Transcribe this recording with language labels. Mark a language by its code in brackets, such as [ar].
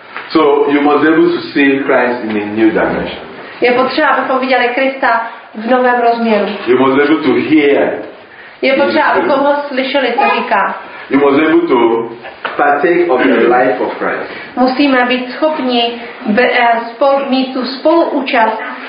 [en] So you must be able to see Christ in a new dimension. [cs] Je potřeba, abychom viděli Krista v novém rozměru. [en] You must be able to hear. [cs] Je potřeba, abychom ho slyšeli, co říká. [en] You must be able to partake of the life of Christ. [cs] Musíme být schopni mít tu spoluúčast.